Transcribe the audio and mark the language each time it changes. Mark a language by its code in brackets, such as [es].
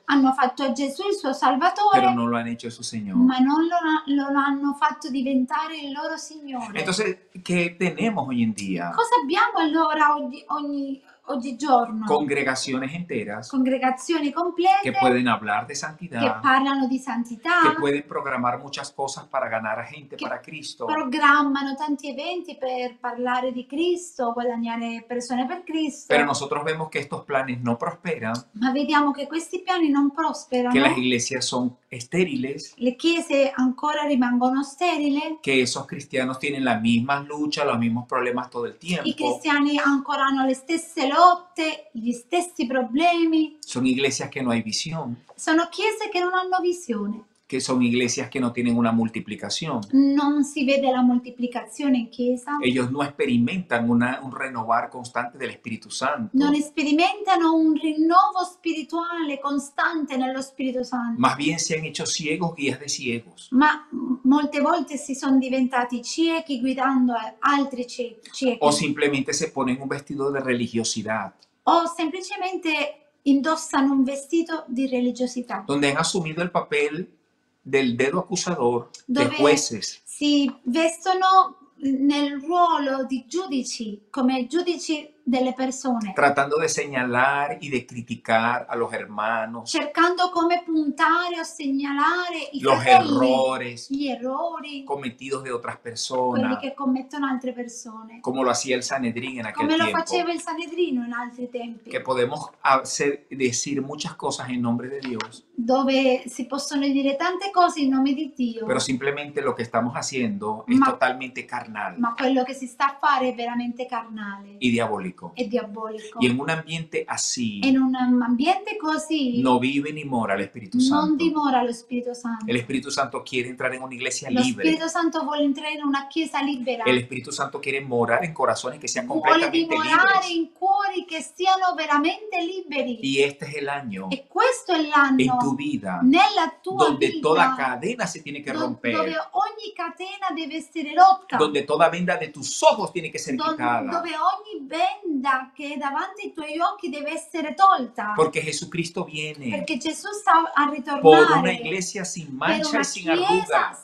[it] Hanno fatto a Gesù il suo Salvatore. [es] Pero no lo han hecho su Señor. [it] Ma non lo hanno fatto diventare il loro Signore. [es] Entonces, ¿qué tenemos hoy en día? [it] Cosa abbiamo allora oggigiorno, [es] congregaciones enteras, congregaciones completas, que pueden hablar de santidad, que hablan de santidad, que pueden programar muchas cosas para ganar a gente para Cristo, programan tantos eventos para hablar de Cristo, ganar personas para Cristo. Pero nosotros vemos que estos planes no prosperan. [it] Ma vediamo che questi piani non prosperano. [es] Que las iglesias son estériles. [it] Le chiese ancora rimangono sterili. [es] Que esos cristianos tienen las mismas luchas, los mismos problemas todo el tiempo. [it] I cristiani ancora hanno le stesse lotte, gli stessi problemi. [es] Son iglesias que no hay visión. [it] Sono chiese che non hanno visione. [es] Que son iglesias que no tienen una multiplicación. [it] Non si vede la moltiplicazione in chiesa. [es] Ellos no experimentan un renovar constante del Espíritu Santo. [it] Non sperimentano un rinnovo spirituale costante nello Spirito Santo. [es] Más bien se han hecho ciegos guías de ciegos. [it] Ma molte volte si sono diventati ciechi guidando altri ciechi. [es] O simplemente se ponen un vestido de religiosidad. [it] O semplicemente indossano un vestito di religiosità. [es] Donde han asumido el papel del dedo acusador, de jueces. [it] Si vestono nel ruolo di giudici, come giudici delle persone. [es] Tratando de señalar y de criticar a los hermanos. [it] Cercando come puntare o segnalare i [es] los [it] fratelli, [es] errores, [it] gli errori [es] cometidos de otras personas. [it] Quelli che commettono altre persone. [es] Como lo hacía el Sanedrín en aquel tiempo. [it] Come lo faceva il Sanedrino in altri tempi. [es] Que podemos decir muchas cosas en nombre de Dios. [it] Dove si possono dire tante cose in nome di Dio. [es] Pero simplemente lo que estamos haciendo es totalmente carnal. [it] Ma quello che si sta a fare è veramente carnale. [es] Y diabólico. [it] È diabolico. [es] Y en un ambiente así. [it] In un ambiente così. [es] No vive ni mora l'Espíritu Santo. [it] Non dimora lo Spirito Santo. [es] El Espíritu Santo quiere entrar en una iglesia lo libre. [it] Lo Spirito Santo vuole entrare in una chiesa libera. [es] El Espíritu Santo quiere morar en corazones que sean completamente libres. [it] Vuole dimorare in cuori che siano veramente liberi. [es] Y este es el año. [it] E questo è l'anno. [es] En tu vida. [it] Nella tua vita. [es] Donde toda cadena se tiene que romper. [it] Dove ogni catena deve essere rotta. [es] Donde toda venda de tus ojos tiene que ser quitada. [it] Dove ogni venda che davanti ai tuoi occhi deve essere tolta. Perché Gesù Cristo viene. Perché Gesù sta a ritornare. [es] Per una iglesia sin mancha e sin arruga.